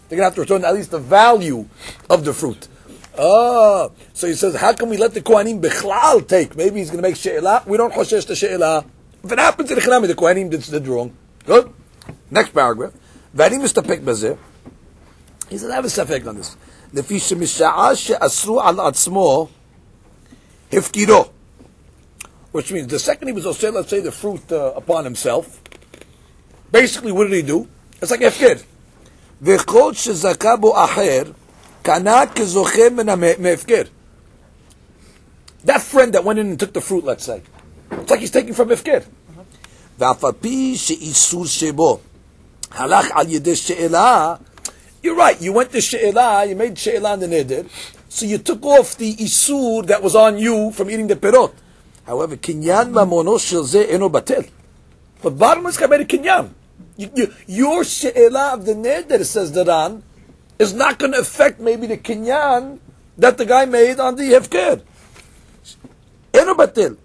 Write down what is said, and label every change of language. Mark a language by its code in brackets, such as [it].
[en] They're going to have to return at least the value of the fruit. Oh. So he says, how can we let the Kohanim bichlal take? Maybe he's going to make she'ilah. We don't choshesh the she'ilah. If it happens in the Chanami, the Kohanim did wrong. Good. Next paragraph. Vadim is the pick bazir. He says, I have a sefek on this. [he] לפי שמשעה שאסרו על עצמו הפקירו. [en] Which means, the second he was also, let's say, the fruit upon himself, basically, what did he do? It's like הפקיר. [he] וכל שזכה בו אחר, קנה כזוכה מן המפקיר. [en] That friend that went in and took the fruit, let's say, it's like he's taking from הפקיר. [he] ואף על פי שאיסור שבו הלך על ידי שאלה. [en] You're right, you went to She'elah, you made She'elah in the Nedir, so you took off the Isur that was on you from eating the Perot. However, [he] Kinyan Mamono Shilze Eno Batel. [en] But bottom line, I made a Kinyan. Your She'elah of the Nedir, says the Ran, is not going to affect maybe the Kinyan that the guy made on the Hefker. [he] Eno Batel.